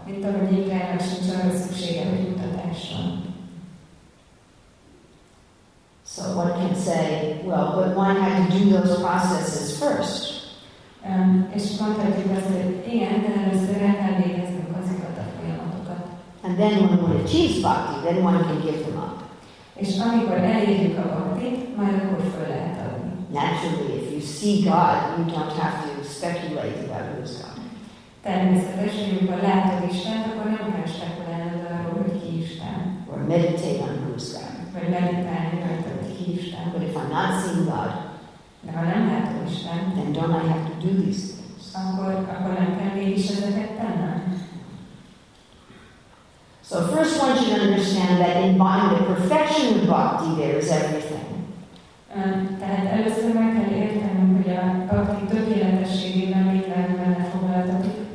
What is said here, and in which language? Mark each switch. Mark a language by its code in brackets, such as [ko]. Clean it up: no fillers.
[hu] Mint ahogy Indrának sincs arra szüksége, hogy kutatásson. [en] So one can say, well, but one had to do those processes first. [hu] És mondhatjuk azt, hogy igen, de először el kell végeznünk azokat a folyamatokat. [en] And then when one achieves bhakti, then one can give them up. [hu] És amikor elérjük a bhaktit, majd akkor föl lehet adni. [en] Naturally, if you see God, you don't have to speculate about who is God. [hu] Természetesen, amikor látod Istent, akkor nem kell spekulálnod arról, hogy ki Isten. [en] Or meditate on who's God. [hu] Vagy meditálni rajta, hogy ki Isten. [en] But if I'm not seeing God, [hu] de ha nem látod Isten, [en] then don't I have to do these things? [hu] Akkor nem kell mégis ezeket tennem. [en] So first one should understand that in buying the perfection of bhakti, there is everything. [hu] Tehát először meg kell értenem, hogy a bhakti tökéletességében minden benne foglaltatik.